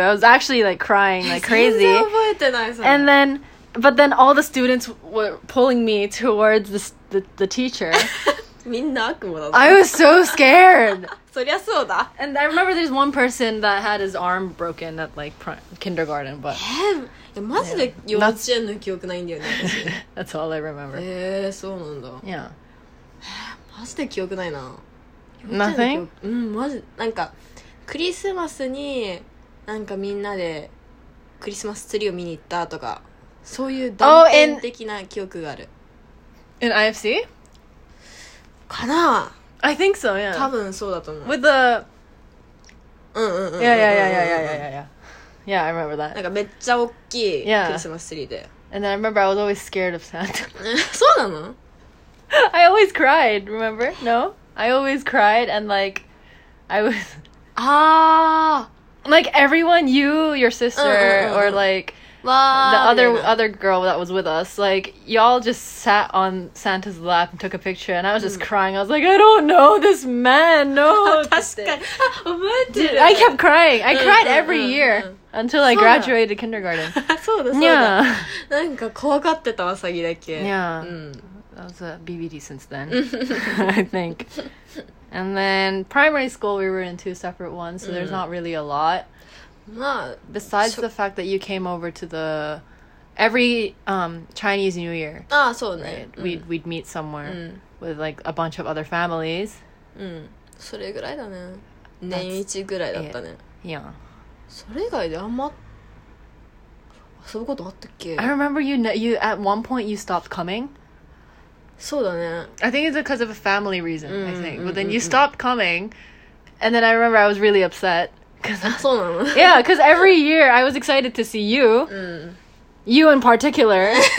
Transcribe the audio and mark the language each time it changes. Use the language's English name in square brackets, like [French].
[English] I was actually, like, crying, like, crazy. And then, but then all the students were pulling me towards the teacher. I was so scared. And I remember there's one person that had his arm broken at, like, kindergarten, but... [Japanese] マジで幼稚園の記憶ないんだよね。 [English] That's all I remember. [Japanese] へえ、そうなんだ。 [English] Yeah. [Japanese] マジで記憶ないな。 [English] Nothing? [Japanese] マジ、なんか、クリスマスに、なんかみんなでクリスマスツリーを見に行ったとか、そういう断片的な記憶がある。 [English] In IFC? [Japanese] かな [English] ?I think so, yeah. [Japanese] 多分そうだと思う。 [English] With the... Yeah, yeah, yeah, yeah, yeah, yeah, yeah. Yeah, I remember that. [Japanese] なんかめっちゃ大きいクリスマスツリーで。 [English] Yeah. And then I remember I was always scared of Santa. [Japanese] そうなの? [English] I always cried, remember? No? I always cried and like, I was... Ah! Like everyone, you, your sister, or like... The other girl that was with us, like, y'all just sat on Santa's lap and took a picture, and I was just crying. I was like, I don't know this man, no. [Japanese] 確かに。 [English] Dude, I kept crying. I cried every year until I graduated kindergarten. [Japanese] そうだ、そうだ。Yeah. なんか怖がってたわ、サギだけ。 [English] Yeah. That was a BBD since then, I think. And then primary school, we were in two separate ones, so there's not really a lot. [Japanese] まあ、 [English] besides the fact that you came over to the every Chinese New Year, [Japanese] ああそうね、 [English] right? we'd meet somewhere with like a bunch of other families. [Japanese] それぐらいだね。年一ぐらいだったね。 [English] Yeah. [Japanese] それ以外であんま遊ぶことあったっけ。 [English] I remember you at one point you stopped coming. [Japanese] そうだね。 [English] I think it's because of a family reason. I think. But then you stopped coming, and then I remember I was really upset. [Japanese] そうなの? [English] Yeah, because every year I was excited to see you. You in particular.